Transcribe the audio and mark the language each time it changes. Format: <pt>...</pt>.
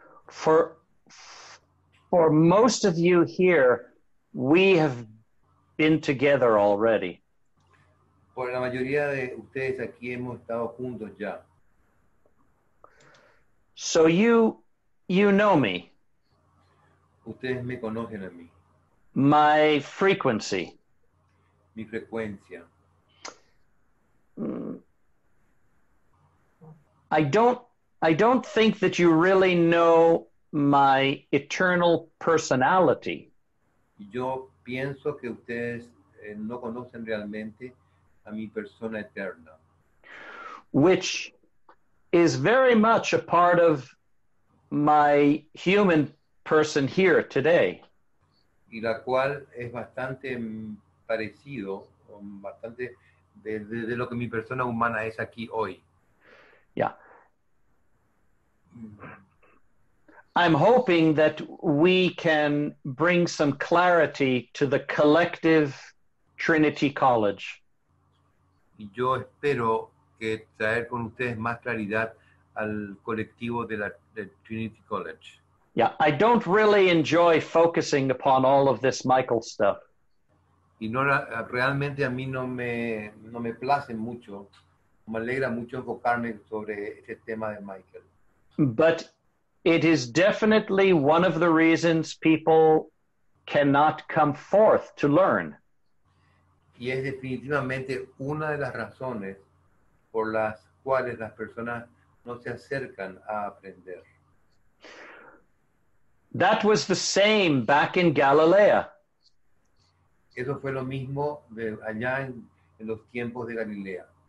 <en>For most of you here, we have been together already.</en> <es>Por la mayoría de ustedes aquí hemos estado juntos ya.</es> <en>So you know me.</en> <es>Ustedes me conocen a mí.</es> <en>My frequency.</en> <es>Mi frecuencia.</es> <en>I don't think that you really know my eternal personality.</en> <es>Yo pienso que ustedes no conocen realmente a mi persona eterna.</es> <en>Which is very much a part of my human person here today.</en> <es>Y la cual es bastante parecido, bastante de lo que mi persona humana es aquí hoy.</es> <en>Yeah. I'm hoping that we can bring some clarity to the collective Trinity College.</en> <es>Yo espero que traer con ustedes más claridad al colectivo de Trinity College.</es> <en>Yeah, I don't really enjoy focusing upon all of this Michael stuff.</en> <es>Y no, realmente a mí no me place mucho, me alegra mucho enfocarme sobre este tema de Michael.</es> <en>But it is definitely one of the reasons people cannot come forth to learn.</en> <es>Y es definitivamente una de las razones por las cuales las personas no se acercan a aprender.</es> <en>That was the same back in Galilea.</en> <es>Eso fue lo mismo de allá en los tiempos de Galilea.</es>